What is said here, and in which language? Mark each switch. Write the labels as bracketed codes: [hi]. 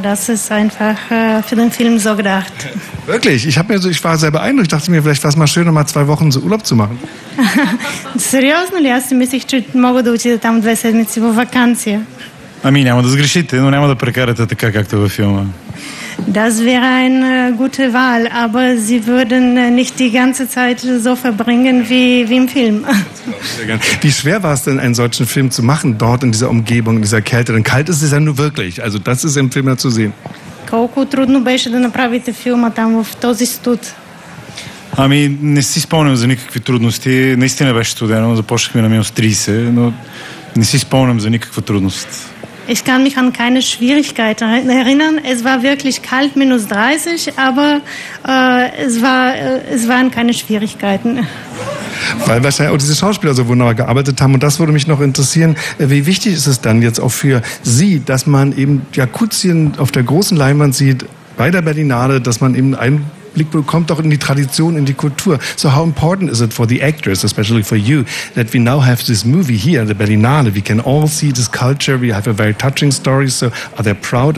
[de] Das ist einfach für den Film so gedacht. Wirklich? Ich war sehr beeindruckt. Ich dachte mir, vielleicht wäre es mal schön, mal zwei Wochen so Urlaub zu machen. [bg] Серьезно ли? Я си мислих, че мога да отида там две седмици във ваканция. Ами, няма да сгрешите, но няма да прекарате така, както във филма. [de] Das wäre eine gute Wahl, aber sie würden nicht die ganze Zeit so verbringen wie im Film. Wie schwer war es denn, einen solchen Film zu machen, dort in dieser Umgebung, in dieser Kälte? Denn kalt ist es ja nur wirklich. Also das ist im Film ja zu sehen. [bg] Колко трудно беше да направите филма там в този студ? Ами не си спомням за никакви трудности. Наистина беше студено. Започнахме на минус 30, но не си спомням за никаква трудност. [de] Ich kann mich an keine Schwierigkeiten erinnern. Es war wirklich kalt, minus 30, aber es waren keine Schwierigkeiten. Weil wahrscheinlich auch diese Schauspieler so wunderbar gearbeitet haben. Und das würde mich noch interessieren, wie wichtig ist es dann jetzt auch für Sie, dass man eben Jakutien auf der großen Leinwand sieht, bei der Berlinale, dass man eben einen Blick bekommt auch in die Tradition, in die Kultur. [en] So how important is it for the actors, especially for you, that we now have this movie here, the Berlinale, we can all see this culture, we have a very touching story, so are they proud?